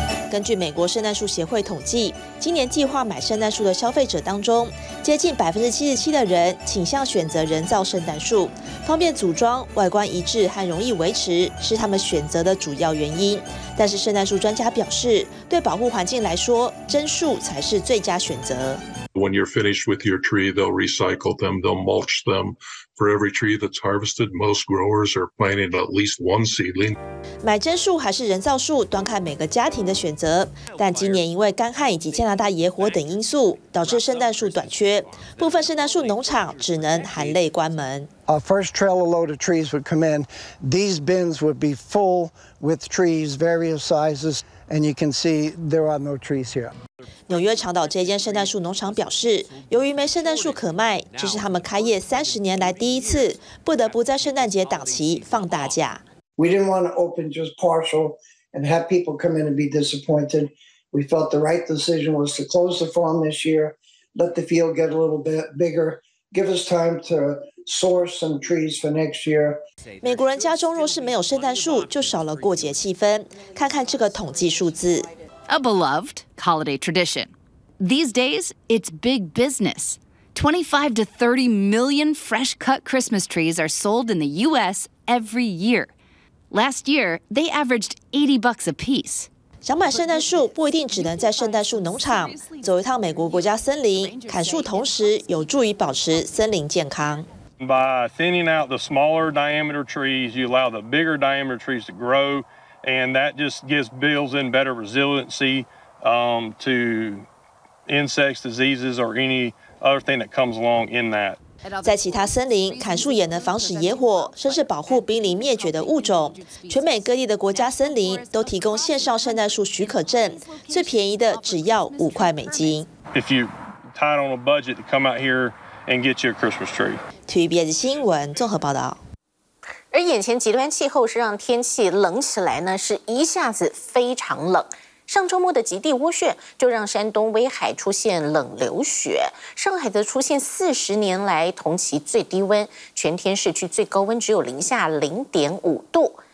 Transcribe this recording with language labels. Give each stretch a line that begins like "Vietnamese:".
Chinese: 根据美国圣诞树协会统计，今年计划买圣诞树的消费者当中，接近77%的人倾向选择人造圣诞树，方便组装、外观一致和容易维持是他们选择的主要原因。但是圣诞树专家表示，对保护环境来说，真树才是最佳选择。
English: When you're finished with your tree, they'll recycle them, they'll mulch them. For every tree that's harvested, most growers are planting at least one seedling.
Chinese: 买真树还是人造树，端看每个家庭的选择。但今年因为干旱以及加拿大野火等因素，导致圣诞树短缺，部分圣诞树农场只能含泪关门。
English: Our first trailer load of trees would come in. These bins would be full with trees, various sizes. And you can see there are no trees here.
Chinese: 纽约长岛这间圣诞树农场表示，由于没圣诞树可卖，这是他们开业30年来第一次不得不在圣诞节档期放大假。
English: We didn't want to open just partial and have people come in and be disappointed. We felt the right decision was to close the farm this year, let the field get a little bit bigger, give us time to. Source some trees for next year.
Chinese: 美国人家中若是没有圣诞树，就少了过节气氛。看看这个统计数字。
English: A beloved holiday tradition. These days, it's big business. 25 to 30 million fresh-cut Christmas trees are sold in the U.S. every year. Last year, they averaged $80 a piece.
Chinese: 想买圣诞树不一定只能在圣诞树农场走一趟美国国家森林，砍树同时有助于保持森林健康。
English: By thinning out the smaller diameter trees, you allow the bigger diameter trees to grow, and that just gives builds in better resiliency to insects, diseases, or any other thing that comes along in that.
Chinese: 在其他森林，砍树也能防止野火，甚至保护濒临灭绝的物种。全美各地的国家森林都提供线上圣诞树许可证，最便宜的只要$5。
English: If you tied on a budget to come out here. And get your Christmas tree.
Chinese: TVBS 新闻综合报道。而眼前极端气候是让天气冷起来呢，是一下子非常冷。上周末的极地涡旋就让山东威海出现冷流雪，上海则出现40年来同期最低温，全天市区最高温只有零下0.5度。